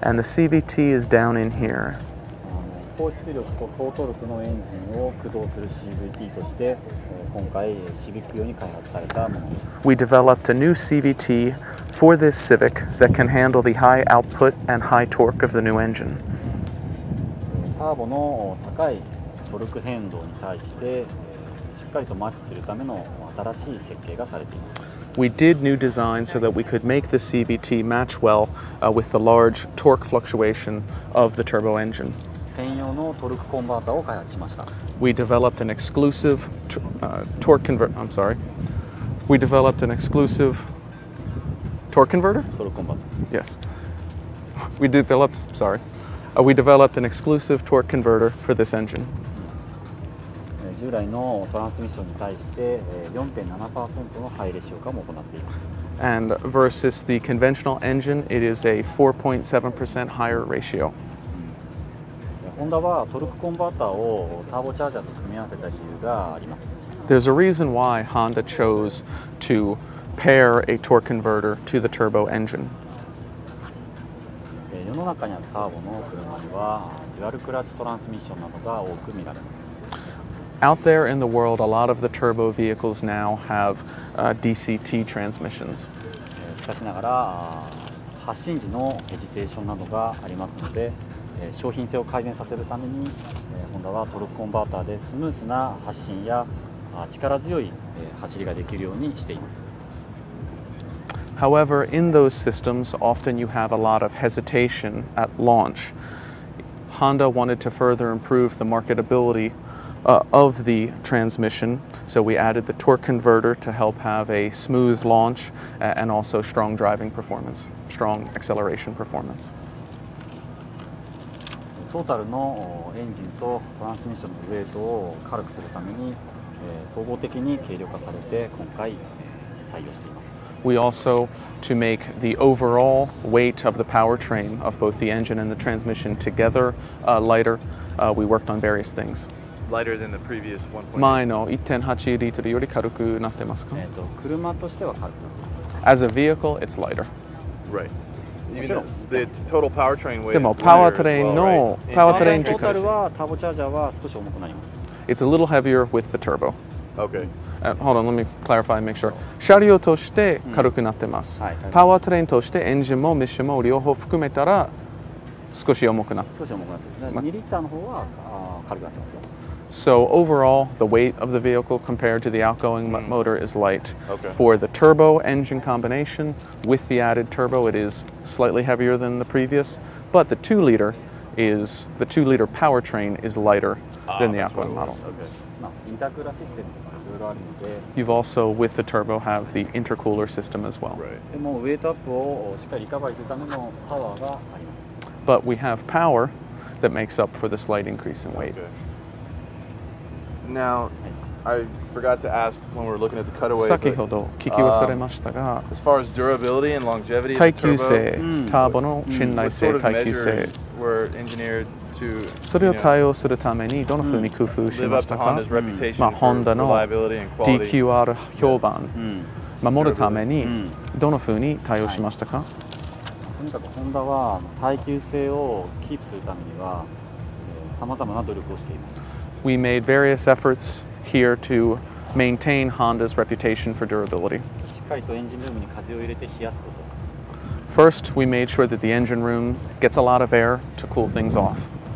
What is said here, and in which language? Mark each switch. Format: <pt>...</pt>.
<en>And the CVT is down in here. We developed a new CVT for this Civic that can handle the high output and high torque of the new engine.</en> <ja>ターボの高いトルク変動に対してしっかりとマッチするための新しい設計がされています。</ja> <en>We did new design so that we could make the CVT match well, with the large torque fluctuation of the turbo engine.</en> <ja>専用のトルクコンバータを開発しました。</ja> <en>We developed an exclusive torque converter. I'm sorry. We developed an exclusive torque converter?</en> <ja>トルクコンバータ。</ja> <en>Yes. We developed, sorry. We developed an exclusive torque converter for this engine.</en> <ja>従来のトランスミッションに対して 4.7% の配列消化も行っています。</ja> <en>And versus the conventional engine, it is a 4.7% higher ratio.</en> <ja>Honda はトルクコンバーターをターボチャージャーと組み合わせた理由があります。</ja> <en>There's a reason why Honda chose to pair a torque converter to the turbo engine.</en> <ja>世の中にあるターボの車にはデュアルクラッチトランスミッションなどが多く見られます。</ja> <en>Out there in the world, a lot of the turbo vehicles now have DCT transmissions.</en> <ja>しかしながら発進時のヘジテーションなどがありますので、商品性を改善させるために、ホンダはトルクコンバーターでスムースな発進や力強い走りができるようにしています。</ja> <en>However, in those systems, often you have a lot of hesitation at launch. Honda wanted to further improve the marketability, of the transmission, so we added the torque converter to help have a smooth launch, and also strong driving performance, strong acceleration performance. トータルのエンジンとトランスミッションのウェイトを軽くするために、総合的に軽量化されて今回採用しています。 We also to make the overall weight of the powertrain of both the engine and the transmission together lighter. We worked on various things. Lighter than the previous 1.8.</en> <ja>前の 1.8 リットルより軽くなってますか？車としては軽くなってます。</ja> <en>As a vehicle, it's lighter. Right. Even the total powertrain weight.</en> <ja>でもパワートレインの、パワートレイン自体はターボチャージャーは少し重くなります。</ja> <en>It's a little heavier with the turbo. Okay. Hold on, let me clarify and make sure.</en> <ja>車両として軽くなってます。パワートレインとしてエンジンもミッションも両方含めたら少し重くなってます。 2リッターの方は軽くなってますよ。</ja> <en>So overall, the weight of the vehicle compared to the outgoing motor is light. For the turbo engine combination with the added turbo, it is slightly heavier than the previous. But the 2 liter is, the 2 liter powertrain is lighter than the outgoing model.</en> <ja>インタークーラーシステム。</ja> <en>You've also, with the turbo, have the intercooler system as well. Right. But we have power that makes up for the slight increase in weight. Okay. Now, I forgot to ask when we were looking at the cutaway.</en> <ja>先ほど聞き忘れましたが、</ja> <en>as far as durability and longevity,</en> <ja>耐久性、ターボの信頼性、耐久性。</ja> <en>Were engineered to,</en> <ja>それを対応するためにどのふうに工夫しましたか、まあ、ホンダの DQR 評判守るためにどのふうに対応しましたか、はい、とにかくホンダは耐久性をキープするためにはさまざまな努力をしています。</ja> <en>We made various efforts here to maintain Honda's reputation for durability.</en> <ja>しっかりとエンジンルームに風を入れて冷やすこと。</ja> <en>First, we made sure that the engine room gets a lot of air to cool things off.</en>